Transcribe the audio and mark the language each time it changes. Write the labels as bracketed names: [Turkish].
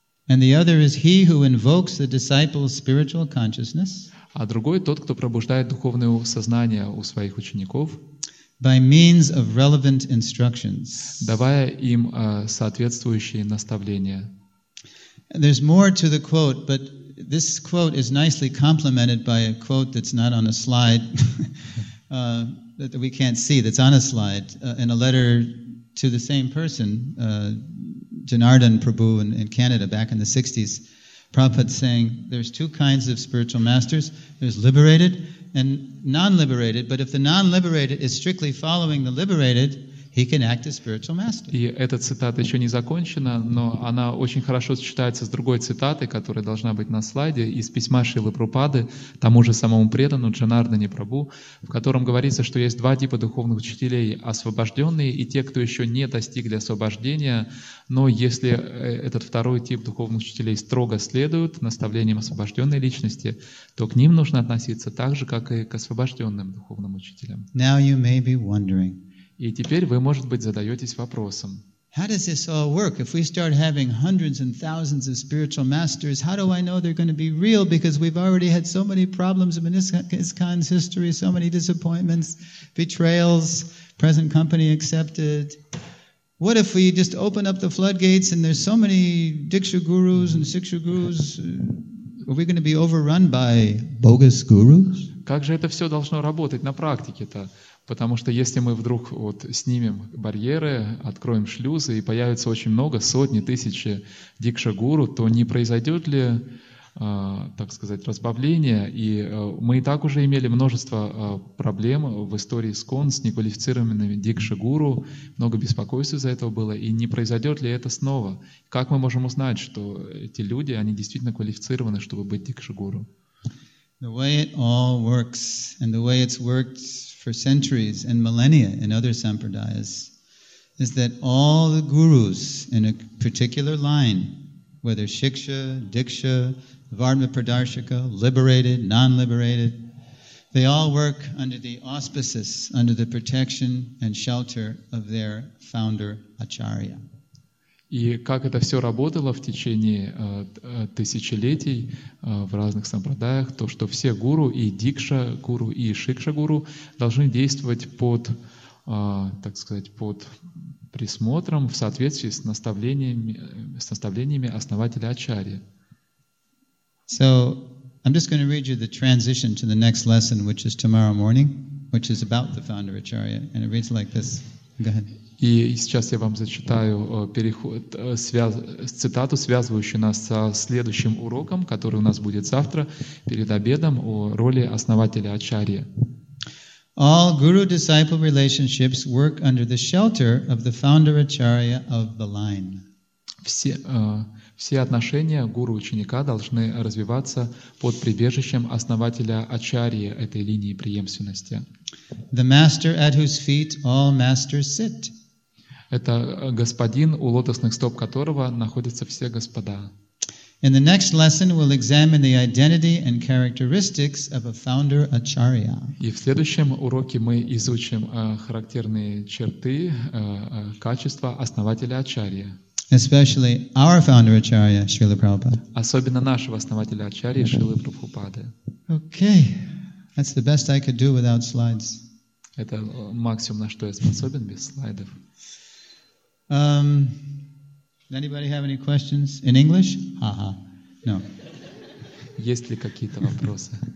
[English] And the other is he who invokes the disciple's spiritual consciousness. [Russian] А другой тот, кто пробуждает духовное сознание у своих учеников. [English] By means of relevant instructions. [Russian] Давая им соответствующие наставления. [English] And there's more to the quote, but this quote is nicely complemented by a quote that's not on a slide that we can't see. That's on a slide in a letter to the same person. Janardhan Prabhu in Canada back in the 60s, Prabhupada saying there's two kinds of spiritual masters. There's liberated and non-liberated, but if the non-liberated is strictly following the liberated, he can act as spiritual master. [Russian] И эта цитата еще не закончена, но она очень хорошо сочетается с другой цитатой, которая должна быть на слайде, из письма Шрилы Прабхупады тому же самому преданному Джанардане Прабху, в котором говорится, что есть два типа духовных учителей — освобожденные и те, кто еще не достигли освобождения. Но если этот второй тип духовных учителей строго следует наставлениям освобожденной личности, то к ним нужно относиться так же, как и к освобожденным духовным учителям. [English] Now you may be wondering. [Russian] И теперь вы, может быть, задаетесь вопросом. [English] How does this all work? If we start having hundreds and thousands of spiritual masters, how do I know they're going to be real? Because we've already had so many problems in ISKCON's history, so many disappointments, betrayals, present company accepted. What if we just open up the floodgates and there's so many Diksha gurus and Siksha gurus? Are we going to be overrun by bogus gurus? [Russian] Как же это все должно работать на практике-то? Потому что если мы вдруг вот снимем барьеры, откроем шлюзы, и появится очень много, сотни, тысячи дикша-гуру, то не произойдет ли, так сказать, разбавление? И мы и так уже имели множество проблем в истории ИСККОН с неквалифицированными дикша-гуру, много беспокойств из-за этого было, и не произойдет ли это снова? Как мы можем узнать, что эти люди, они действительно квалифицированы, чтобы быть дикша-гуру? [English] The way it all works, and the way it's worked for centuries and millennia in other sampradayas, is that all the gurus in a particular line, whether shiksha, diksha, varma pradarshika, liberated, non-liberated, they all work under the auspices, under the protection and shelter of their founder, Acharya. [Russian] И как это все работало в течение тысячелетий в разных сампрадаях, то, что все гуру, и дикша-гуру, и шикша-гуру должны действовать под, так сказать, под присмотром в соответствии с наставлениями основателя Ачарьи. [English] So, I'm just going to read you the transition to the next lesson, which is tomorrow morning, which is about the founder Acharya, and it reads like this. Go ahead. [Russian] И сейчас я вам зачитаю переход, цитату, связывающую нас со следующим уроком, который у нас будет завтра перед обедом о роли основателя Ачарьи. [English] All guru-disciple relationships work under the shelter of the founder Acharya of the line. [Russian] Все отношения гуру-ученика должны развиваться под прибежищем основателя Ачарьи этой линии преемственности. [English] The master at whose feet all masters sit. [Russian] Это господин, у лотосных стоп которого находятся все господа. [English] In the next lesson we'll examine the identity and characteristics of a founder Acharya. [Russian] И в следующем уроке мы изучим характерные черты, качества основателя Ачарьи. [English] Especially our founder Acharya, Śrīla Prabhupāda. [Russian] Особенно нашего основателя Ачарьи, Śrīla Prabhupāda. [English] Okay, that's the best I could do without slides. [Russian] Это максимум, на что я способен без слайдов. [English] Anybody have any questions in English? Haha. No. [Russian] Есть ли какие-то вопросы?